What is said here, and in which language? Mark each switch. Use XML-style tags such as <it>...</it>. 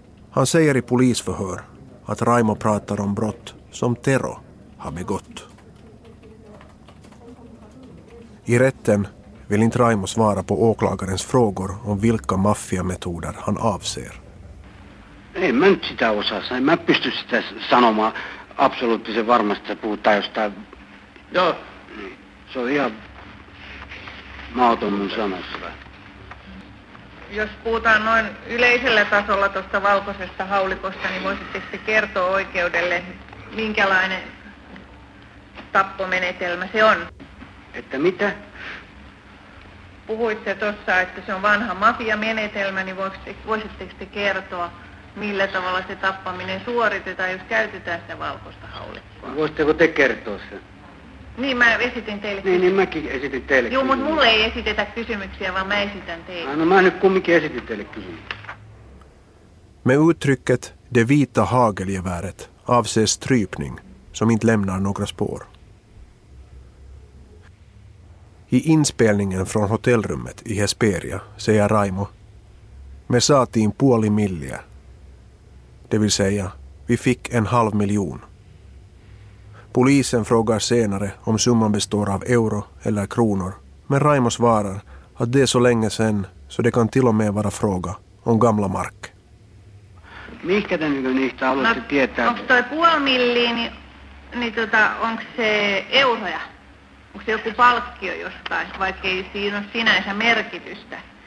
<sv>Han säger i polisförhör att Raimo pratar om brott som Tero har begått. I rätten vill inte Raimo svara på åklagarens frågor om vilka maffiametoder han avser.</sv> <fi>Ei, mä nyt sitä osaa sanoa. Mä pysty sitä sanomaan absoluuttisen varmasti, että puhutaan jostain. Joo. Se on ihan mahdoton mun sanassa. Jos puhutaan noin yleisellä tasolla tuosta valkoisesta haulikosta, niin voisitte se kertoa oikeudelle, minkälainen tappomenetelmä se on. Että mitä? Puhuitte tuossa, että se on vanha mafiamenetelmä, niin voisitteko te kertoa, millä tavalla se tappaminen suoritetaan, jos käytetään sitä valkoista haulikkoa? Voisitteko te kertoa sen? Niin, mä esitin teille kysymyksiä. Niin, mäkin esitin teille. Joo, mutta mulle ei esitetä kysymyksiä, vaan mä esitän teille. No, mä nyt kumminkin esitin teille kysymyksiä.</fi> <sv>Med uttrycket det vita hagelgeväret avses strypning, som inte lämnar några spår. I inspelningen från hotellrummet i Hesperia säger Raimo:</sv> <fi>me saatiin puoli milliä.</fi> <sv>Det vill säga, vi fick en halv miljon. Polisen frågar senare om summan består av euro eller kronor, men Raimo svarar att det är så länge sedan så det kan till och med vara fråga om gamla mark.</sv> <fi>Mikä te niistä haluatte tietää? Onko toi puoli milliä, niin, onko se euroja? Onko se joku palkkio jostain, vaikka ei siinä ole sinänsä merkitystä?</fi>